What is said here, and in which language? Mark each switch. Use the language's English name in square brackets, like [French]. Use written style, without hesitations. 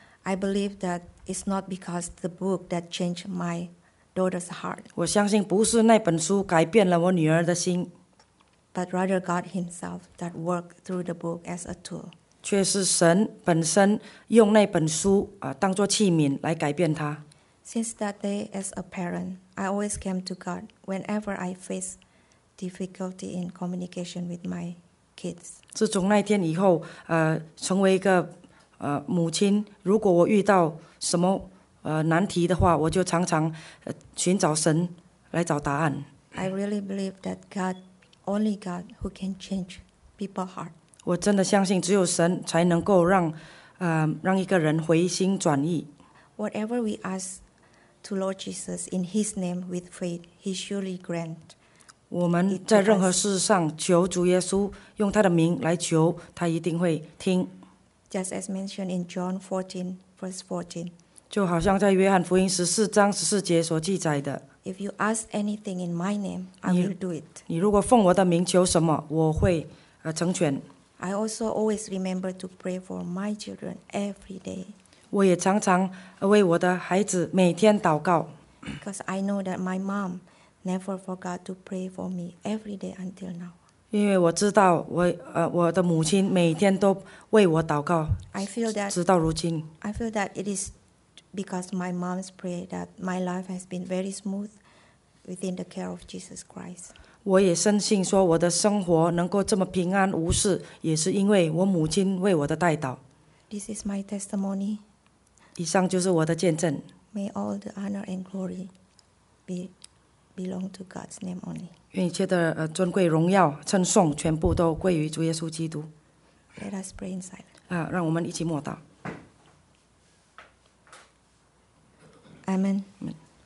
[English] I believe that it's not because the book that changed my daughter's heart. [Chinese] 我相信不是那本书改变了我女儿的心。 [English] But rather God Himself that worked through the book as a tool. [Chinese] 却是神本身用那本书当作器皿来改变她。 [English] Since that day, as a parent, I always came to God whenever I face. Difficulty in communication with my kids. [Chinese] 自从那天以后，成为一个母亲，如果我遇到什么难题的话，我就常常寻找神来找答案。 [English] I really believe that God, only God who can change people's heart. [Chinese] 我真的相信只有神才能够让一个人回心转意。 [English] Whatever we ask to Lord Jesus in His name with faith, He surely grant. [Chinese] 我们在任何事上求主耶稣，用他的名来求，他一定会听。 [English] Just as mentioned in John 14, verse 14. [Chinese] 就好像在约翰福音十四章十四节所记载的。 [English] If you ask anything in my name, I will do it. [Chinese] 你如果奉我的名求什么，我会成全。 [English] I also always remember to pray for my children every day. [Chinese] 我也常常为我的孩子每天祷告。 [English] Because I know that my mom never forgot to pray for me every day until now. [Chinese] 因为我知道我的母亲每天都为我祷告。 [English] I feel that [Chinese] 直到如今。 [English] I feel that it is. Because my mom's prayer that my life has been very smooth within the care of Jesus Christ. [Chinese] 我也深信说我的生活能够这么平安无事，也是因为我母亲为我的代祷。 [English] This is my testimony. [Chinese] 以上就是我的见证。 [English] May all the honor and glory belong to God's name only. [Chinese] 愿一切的尊贵荣耀称颂全部都归于主耶稣基督。 [English] Let us pray in silence. [Chinese] 让我们一起默祷。 [English] Amen. Go ahead.